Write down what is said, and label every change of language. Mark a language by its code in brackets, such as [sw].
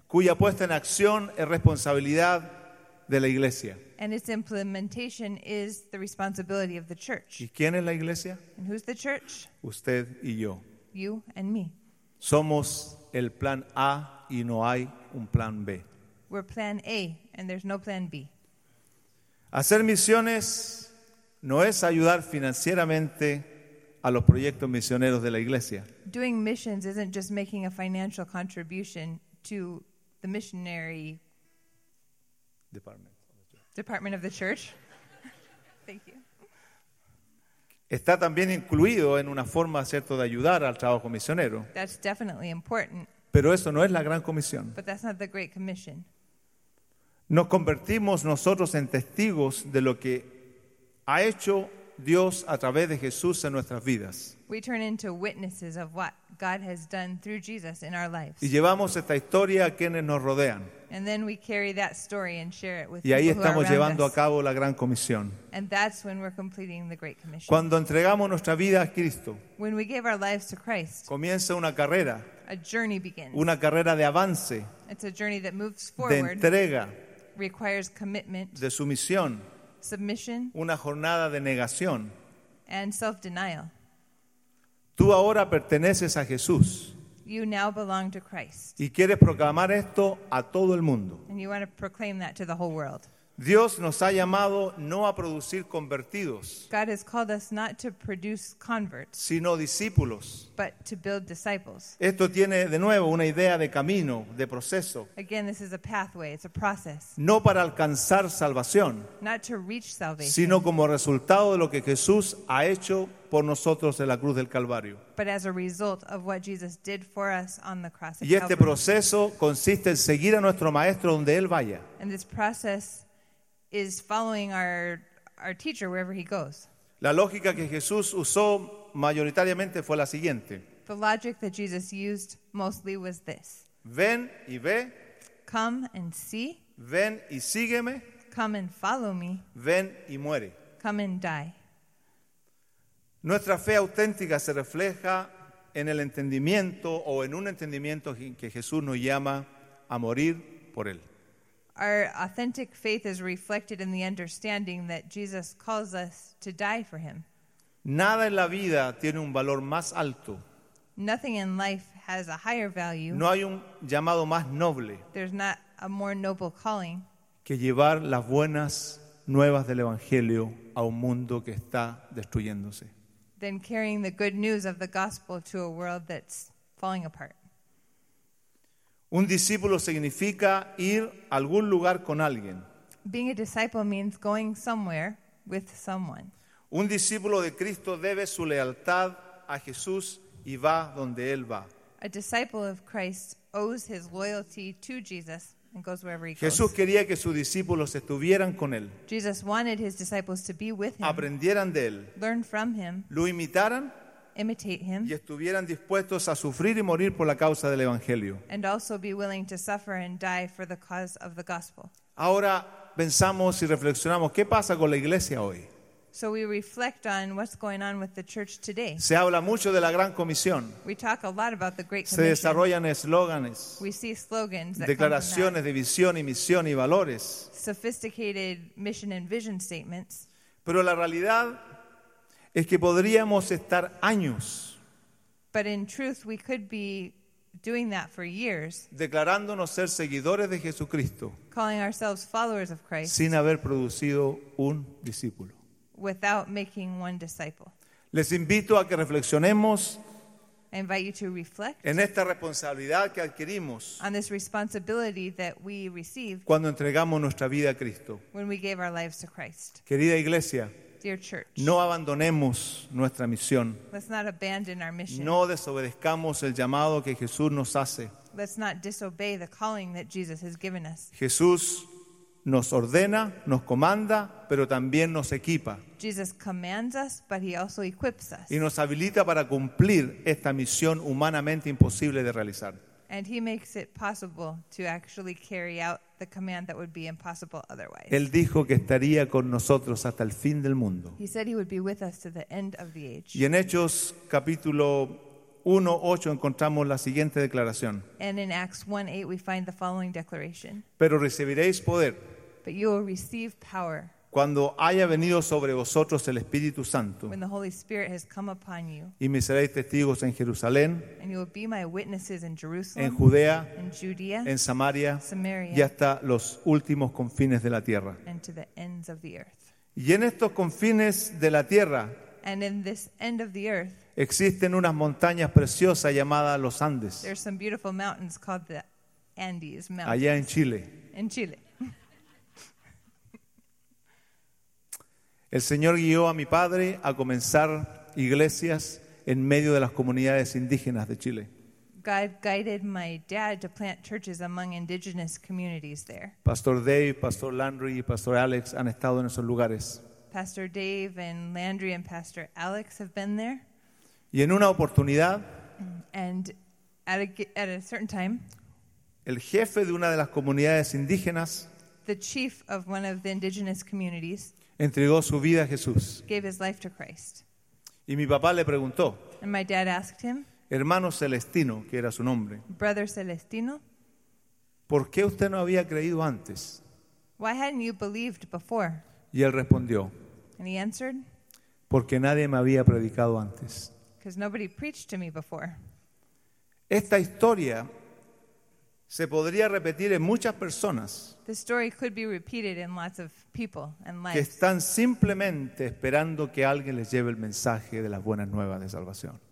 [es] Cuya puesta en acción es responsabilidad de la iglesia. [en] And its implementation is the responsibility of the church. [es] ¿Y quién es la iglesia? [en] And who's the church? [es] Usted y yo. [en] You and me. [es] Somos el plan A y no hay un plan B. [en] We're plan A and there's no plan B. [es] Hacer misiones no es ayudar financieramente a los proyectos misioneros de la iglesia. [en] Doing missions isn't just making a financial contribution to the missionary department. Department of the church. Thank you. [es] Está también incluido en una forma, cierto, de ayudar al trabajo misionero. [en] That's definitely important. [es] Pero eso no es la Gran Comisión. [en] But that's not the Great Commission. [es] Nos convertimos nosotros en testigos de lo que ha hecho Dios a través de Jesús en nuestras vidas. [en] We turn into witnesses of what God has done through Jesus in our lives. [es] Y llevamos esta historia a quienes nos rodean. [en] And then we carry that story and share it with [es] people. Y ahí estamos llevando a cabo la Gran Comisión. [en] And that's when we're completing the Great Commission. [es] Cuando entregamos nuestra vida a Cristo, [en] when we give our lives to Christ, [es] comienza una carrera. [en] A journey begins. [es] Una carrera de avance. [en] It's a journey that moves forward. [es] De entrega. [en] Requires commitment. [es] De sumisión. [en] Submission, [es] una jornada de negación, [en] and self-denial. [es] Tú ahora perteneces a Jesús. [en] You now belong to Christ. [es] Y quieres proclamar esto a todo el mundo. [en] And you want to proclaim that to the whole world. [es] Dios nos ha llamado no a producir convertidos. [en] God has called us not to produce converts, [es] sino discípulos. [en] But to build disciples. [es] Esto tiene de nuevo una idea de camino, de proceso. [en] Again, this is a pathway, it's a process. [es] No para alcanzar salvación, [en] not to reach salvation, [es] sino como resultado de lo que Jesús ha hecho por nosotros en la cruz del Calvario. [en] But as a result of what Jesus did for us on the cross of [es] Calvary. Y este proceso consiste en seguir a nuestro maestro donde él vaya. [en] And this process is following our teacher wherever he goes. [es] La lógica que Jesús usó mayoritariamente fue la siguiente. [en] The logic that Jesus used mostly was this. [es] Ven y ve. [en] Come and see. [es] Ven y sígueme. [en] Come and follow me. [es] Ven y muere. [en] Come and die. [es] Nuestra fe auténtica se refleja en el entendimiento o en un entendimiento que Jesús nos llama a morir por él. [en] Our authentic faith is reflected in the understanding that Jesus calls us to die for him. [es] Nada en la vida tiene un valor más alto. [en] Nothing in life has a higher value. [es] No hay un llamado más noble. [en] There's not a more noble calling. [es] Que llevar las buenas nuevas del evangelio a un mundo que está destruyéndose. [en] Than carrying the good news of the gospel to a world that's falling apart. [es] Un discípulo significa ir a algún lugar con alguien. [en] Being a disciple means going somewhere with someone. [es] Un discípulo de Cristo debe su lealtad a Jesús y va donde él va. [en] A disciple of Christ owes his loyalty to Jesus and goes wherever he goes. [es] Jesús quería que sus discípulos estuvieran con él. [en] Jesus wanted his disciples to be with him. [es] Aprendieran de él. [en] Learn from him. [es] Lo imitaran. [en] Imitate him, [es] y estuvieran dispuestos a sufrir y morir por la causa del evangelio. [en] And also be willing to suffer and die for the cause of the gospel. [es] Ahora pensamos y reflexionamos, ¿qué pasa con la iglesia hoy? [en] So we reflect on what's going on with the church today. [es] Se habla mucho de la gran comisión. [en] We talk a lot about the Great Commission. [es] Se desarrollan eslóganes. [en] We see slogans that [es] declaraciones [en] come [es] de visión y misión y valores. [en] Sophisticated mission and vision statements. [es] Pero la realidad es que podríamos estar años. [en] But in truth, we could be doing that for years, [es] declarándonos ser seguidores de Jesucristo, [en] calling ourselves followers of Christ, [es] sin haber producido un discípulo, [en] without making one disciple. [es] Les invito a que reflexionemos. [en] I invite you to reflect [es] en esta responsabilidad que adquirimos, [en] on this responsibility that we received, [es] cuando entregamos nuestra vida a Cristo, [en] when we gave our lives to Christ. [es] Querida iglesia, [en] dear church, [es] no abandonemos nuestra misión. [en] Let's not abandon our mission. [es] No desobedezcamos el llamado que Jesús nos hace. [en] Let's not disobey the calling that Jesus has given us. [es] Jesús nos ordena, nos comanda, pero también nos equipa. [en] Jesus commands us, but he also equips us. [es] Y nos habilita para cumplir esta misión humanamente imposible de realizar. [en] And he makes it possible to actually carry out the command that would be impossible otherwise. [es] Él dijo que estaría con nosotros hasta el fin del mundo. [en] He said he would be with us to the end of the age. [es] Y en Hechos capítulo 1:8 encontramos la siguiente declaración. [en] And in Acts 1:8 we find the following declaration. [es] Pero recibiréis poder. [en] But you will receive power. [es] Cuando haya venido sobre vosotros el Espíritu Santo. [en] When the Holy Spirit has come upon you. [es] Y me seréis testigos en Jerusalén. [en] And you will be my witnesses in Jerusalem. [es] En Judea. [en] In Judea. [es] En Samaria. [en] Samaria. [es] Y hasta los últimos confines de la tierra. [en] And to the ends of the earth. [es] Y en estos confines de la tierra. [en] And in this end of the earth. [es] Existen unas montañas preciosas llamadas los Andes. [en] There are some beautiful mountains called the Andes Mountains. [es] Allá en Chile. [en] In Chile. [es] El Señor guió a mi padre a comenzar iglesias en medio de las comunidades indígenas de Chile. [en] God guided my dad to plant churches among indigenous communities there. [es] Pastor Dave, Pastor Landry y Pastor Alex han estado en esos lugares. [en] Pastor Dave and Landry and Pastor Alex have been there. [es] Y en una oportunidad, [en] and at a certain time, [es] el jefe de una de las comunidades indígenas, [en] the chief of one of the indigenous communities, [es] entregó su vida a Jesús. [en] Gave his life to Christ. [es] Y mi papá le preguntó. [en] And my dad asked him, [es] hermano Celestino, que era su nombre. [en] Brother Celestino. [es] ¿Por qué usted no había creído antes? [en] Why hadn't you believed before? [es] Y él respondió. [en] And he answered. [es] Porque nadie me había predicado antes. [en] Because nobody preached to me before. [es] Esta historia Se podría repetir en muchas personas. [en] The story could be repeated in lots of people and lives. [es] Que están simplemente esperando que alguien les lleve el mensaje de las buenas nuevas de salvación.